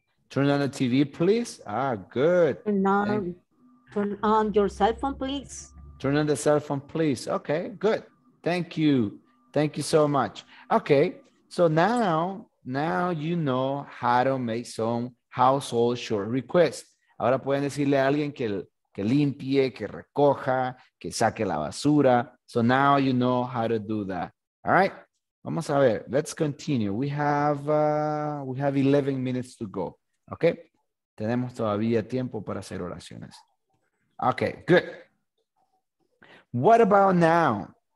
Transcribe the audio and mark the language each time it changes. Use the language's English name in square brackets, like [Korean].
[English] Turn on the TV, please. Ah, good. Turn on your cell phone, please. Turn on the cell phone, please. Okay, good. Thank you. Thank you so much. Okay, so now you know how to make some household chore requests. [Spanish] Ahora pueden decirle a alguien que limpie, que recoja, que saque la basura. [English] So now you know how to do that. All right, [Spanish] vamos a ver. [English] Let's continue. We have 11 minutes to go. [Spanish] Okay, tenemos todavía tiempo para hacer oraciones. [English] Okay, good. What about now?